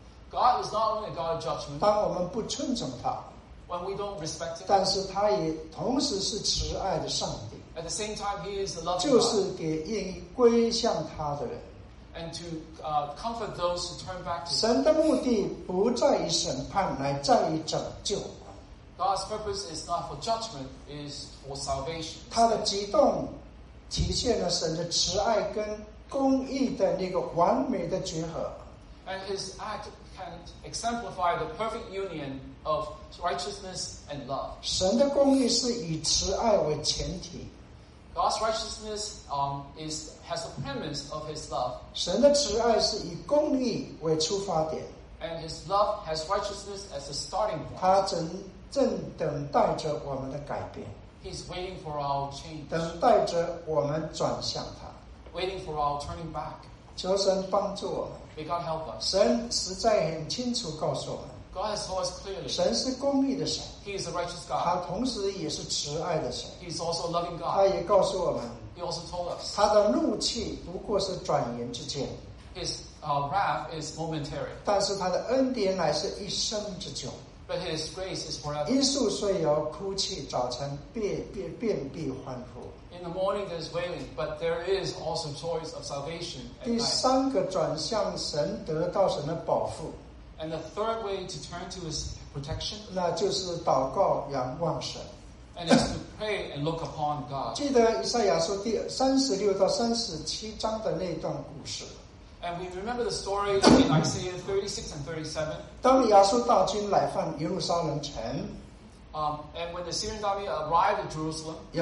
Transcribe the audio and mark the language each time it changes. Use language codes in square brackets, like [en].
[en] God is not only a God of judgment. [zh] 当我们不尊重他, [en] when we don't respect him, [zh] 但是他也同时是慈爱的上帝, [en] at the same time he is a loving God. [zh] 就是给愿意归向他的人, [en] and to comfort those who turn back to him. [zh] 神的目的不在于审判, 乃在于拯救。 [en] God's purpose is not for judgment, it is for salvation. [zh] 他的激动体现了神的慈爱跟公义的那个完美的结合, [en] and his act can exemplify the perfect union of righteousness and love. [zh] 神的公义是以慈爱为前提, [en] God's righteousness has the premise of his love. [zh] 神的慈爱是以公义为出发点, [en] and his love has righteousness as a starting point. [zh] 他正等待着我们的改变, [en] he's waiting for our change. [zh] 等待着我们转向他, [en] waiting for our turning back. [zh] 求神帮助我们, [en] may God help us. [zh] 神实在很清楚告诉我们, [en] God has told us clearly. [zh] 神是公义的神, [en] he is a righteous God. [zh] 他同时也是慈爱的神, [en] he is also a loving God. [zh] 他也告诉我们, [en] he also told us. [zh] 他的怒气不过是转眼之间, [en] his wrath is momentary. [zh] 但是他的恩典乃是一生之久, [en] but his grace is forever. [zh] 因素虽有哭泣, 早晨便必欢呼。 [en] In the morning there is wailing, but there is also choice of salvation. [zh] 第三个转向神得到神的保护, [en] and the third way to turn to his protection, [zh] 那就是祷告仰望神, [en] and is to pray and look upon God. [zh] 记得以赛亚书第36到37章的那段故事, [en] and we remember the story in Isaiah 36 and 37. [zh] 当亚述大军来犯耶路撒冷城, [en] and when the Syrian army arrived at Jerusalem,